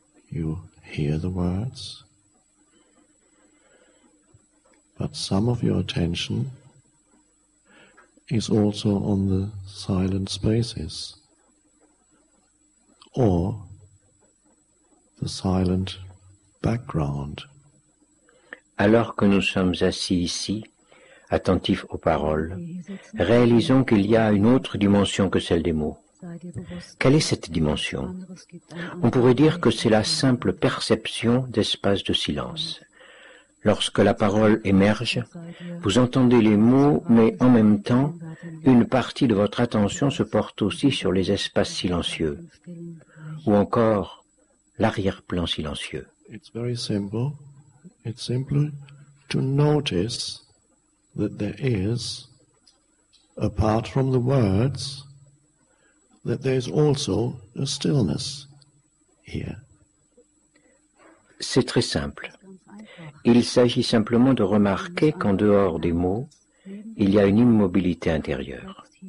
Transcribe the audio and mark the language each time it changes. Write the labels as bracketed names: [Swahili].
[English] You hear the words, but some of your attention is also on the silent spaces or the silent background. [French] Alors que nous sommes assis ici, attentifs aux paroles, réalisons qu'il y a une autre dimension que celle des mots. Quelle est cette dimension? On pourrait dire que c'est la simple perception d'espace de silence. Lorsque la parole émerge, vous entendez les mots, mais en même temps, une partie de votre attention se porte aussi sur les espaces silencieux, ou encore l'arrière-plan silencieux. [English] It's very simple. It's simply to notice that there is, apart from the words, that there is also a stillness here. [French] C'est très simple. Il s'agit simplement de remarquer qu'en dehors des mots, il y a une immobilité intérieure.